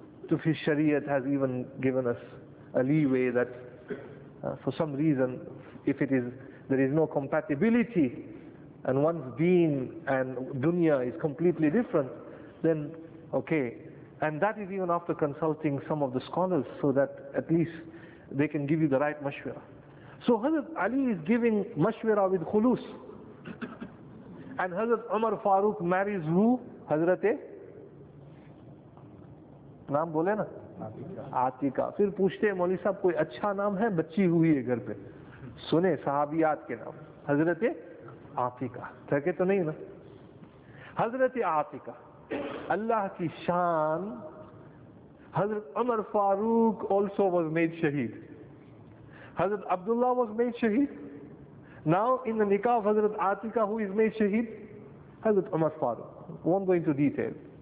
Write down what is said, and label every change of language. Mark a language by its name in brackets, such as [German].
[English] Tufi Shariat has even given us a leeway that for some reason, if it is there is no compatibility and one's deen and dunya is completely different, then okay. And that is even after consulting some of the scholars so that at least they can give you the right mashwira. So Hazrat Ali is giving mashwira with khulus. And Hazrat Umar Farooq marries who? [Hindi] हज़रत नाम बोले ना? Atika. फिर पूछते है मौली साहब, कोई अच्छा नाम है, बच्ची हुई है घर पे. सुने, सहाबियात के नाम. हज़रत आतिका. थके तो नहीं ना? हज़रत Atika. Allah ki shaan, [English] Hazrat Umar Farooq also was made shaheed. Hazrat Abdullah was made shaheed. Now in the nikah of Hazrat Atika, who is made shaheed? Hazrat Umar Farooq. Won't go into detail.